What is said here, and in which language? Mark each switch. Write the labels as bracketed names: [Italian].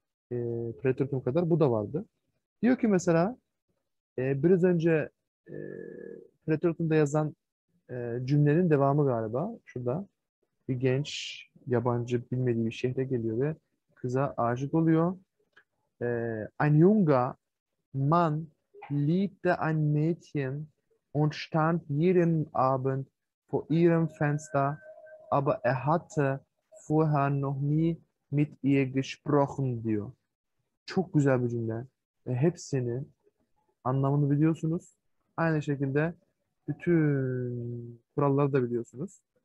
[Turkish] Präteritum kadar bu da vardı. Diyor ki mesela biraz önce Präteritum'da yazan cümlenin devamı galiba. Şurada bir genç yabancı bilmediği bir şehre geliyor ve kıza aşık oluyor. [German] Ein junger Mann liebte ein Mädchen und stand jeden Abend vor ihrem Fenster, aber er hatte vorher noch nie mit ihr gesprochen diyor. [Turkish] Çok güzel bir cümle. Hepsini anlamını biliyorsunuz. Aynı şekilde bütün kuralları da biliyorsunuz.